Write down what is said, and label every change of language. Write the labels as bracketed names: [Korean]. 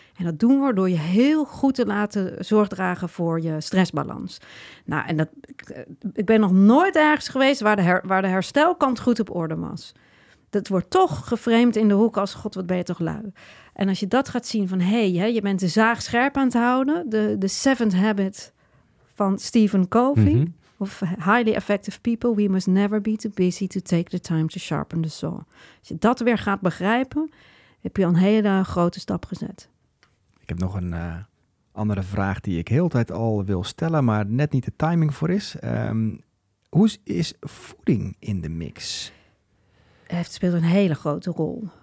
[Dutch] En dat doen we door je heel goed te laten zorgdragen voor je stressbalans. Nou, en dat, ik ben nog nooit ergens geweest waar de herstelkant goed op orde was. Dat wordt toch geframed in de hoek als, god, wat ben je toch lui. En als je dat gaat zien van, je bent de zaag scherp aan het houden. De [English] seventh habit [Dutch] van Stephen Covey. Mm-hmm. [English] Of highly effective people, we must never be too busy to take the time to sharpen the saw. [Dutch] Als je dat weer gaat begrijpen, heb je al een hele grote stap gezet. Ik heb nog een andere vraag die ik heel de tijd al wil stellen, maar net niet de timing voor is. Hoe is voeding in de mix? Het speelt een hele grote rol.